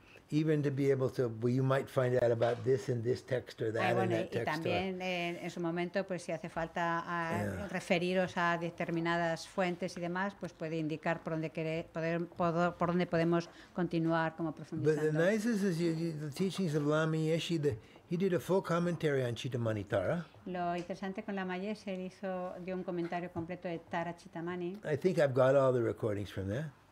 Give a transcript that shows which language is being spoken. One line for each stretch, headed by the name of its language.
English: Even to be able to, well, you might find out about this in this text or that in that text.
Spanish: Y también en su momento, pues si hace falta referiros a determinadas fuentes y demás, pues puede indicar por dónde podemos continuar como profundizando.
English: But the nicest is the teachings of Lama Yeshe. He did a full commentary on Chittamanitara.
Spanish: Lo interesante con Lama Yeshe, dio un comentario completo de Tara Chittamani.
English: I think I've got all the recordings from there.